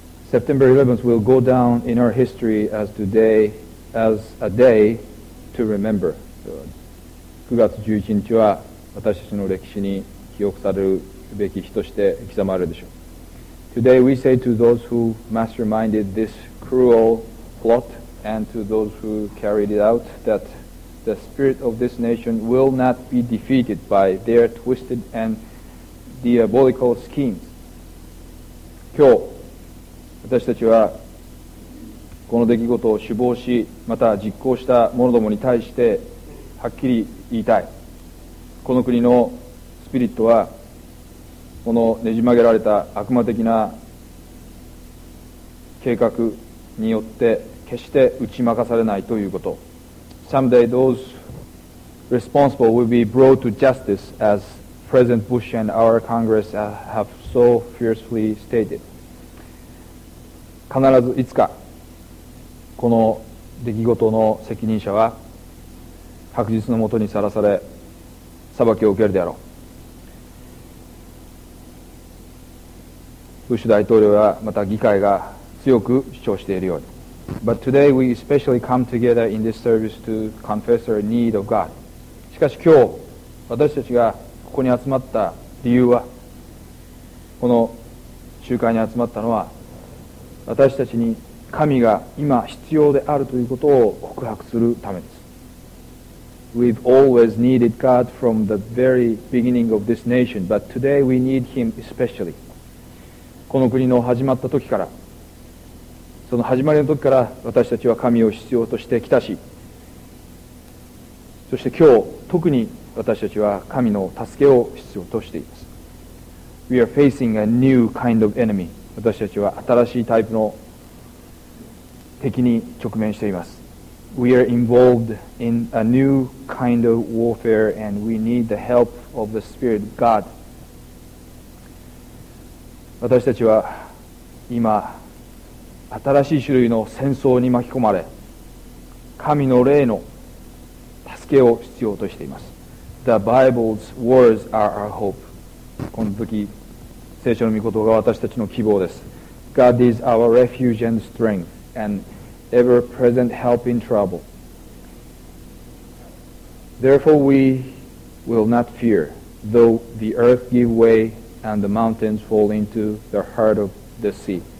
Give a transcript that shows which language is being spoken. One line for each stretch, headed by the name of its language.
English: September 11th will go down in our history as today as a day to remember.
Japanese: 9月11日は私たちの歴史に記憶されるべき日として刻まれるでしょう。
English: Today we say to those who masterminded this cruelplot and to those who carried it out that the spirit of this nation will not be defeated by their twisted and diabolical schemes.
Japanese: 今日私たちはこの出来事を首謀しまた実行した者どもに対してはっきり言いたい。この国のスピリットはこのねじ曲げられた悪魔的な計画によって決して打ち負かされないということ。
English: Someday those responsible will be brought to justice as President Bush and our Congress have so fiercely stated.
Japanese: 必ずいつかこの出来事の責任者は白日のもとにさらされ裁きを受けるであろう。ブッシュ大統領やまた議会が強く主張しているように、
English: But today we especially come together in this service to confess our need of God.
Japanese: しかし今日私たちがここに集まった理由は、この集会に集まったのは、私たちに神が今必要であるということを告白するためです。
English: We've always needed God from the very beginning of this nation, but today we need Him especially.
Japanese: この国の始まった時から、その始まりの時から私たちは神を必要としてきたし、そして今日特に私たちは神の助けを必要としています。
English: We are facing a new kind of enemy.
Japanese: 私たちは新しいタイプの敵に直面しています。
English: We are involved in a new kind of warfare and we need the help of the Spirit of God.
Japanese: 私たちは今新しい種類の戦争に巻き込まれ、神の霊の助けを必要としています。
English: The Bible's words are our hope.
Japanese: この時、聖書の御言葉が私たちの希望です。
English: God is our refuge and strength, and ever-present help in trouble. Therefore we will not fear, though the earth give way and the mountains fall into the heart of the sea.